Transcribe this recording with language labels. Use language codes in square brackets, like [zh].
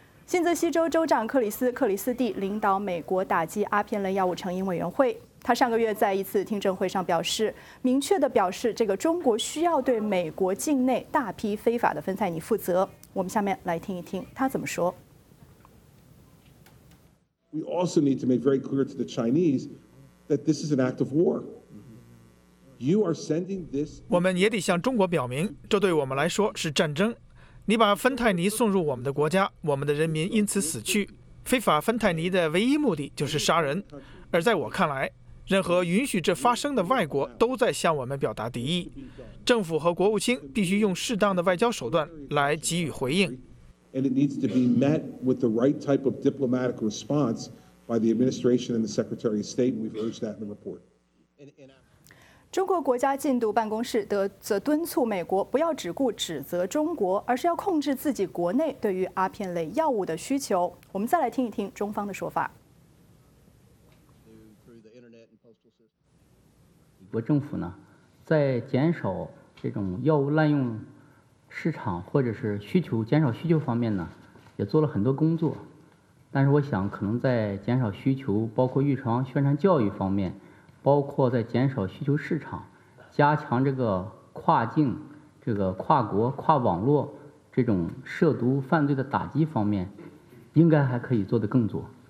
[zh] 新泽西州州长克里斯蒂领导美国打击阿片类药物成瘾委员会。他上个月在一次听证会上表示，明确地表示这个中国需要对美国境内大批非法的芬太尼负责。我们下面来听一听他怎么说。 [en] We also need to make very clear to the Chinese that this is an act of war. You are sending this. [zh] 我们也得向中国表明，这对我们来说是战争。你把芬太尼送入我们的国家，我们的人民因此死去。非法芬太尼的唯一目的就是杀人。而在我看来，任何允许这发生的外国都在向我们表达敌意。政府和国务卿必须用适当的外交手段来给予回应。 [en] And it needs to be met with the right type of diplomatic response by the administration and the Secretary of State. We've urged that in the report. [zh] 中国国家禁毒办公室则敦促美国不要只顾指责中国，而是要控制自己国内对于阿片类药物的需求。我们再来听一听中方的说法。美国政府呢，在减少这种药物滥用市场或者是需求减少需求方面呢，也做了很多工作，但是我想可能在减少需求，包括预防宣传教育方面，包括在减少需求市场，加强这个跨境、这个跨国、跨网络这种涉毒犯罪的打击方面，应该还可以做得更多。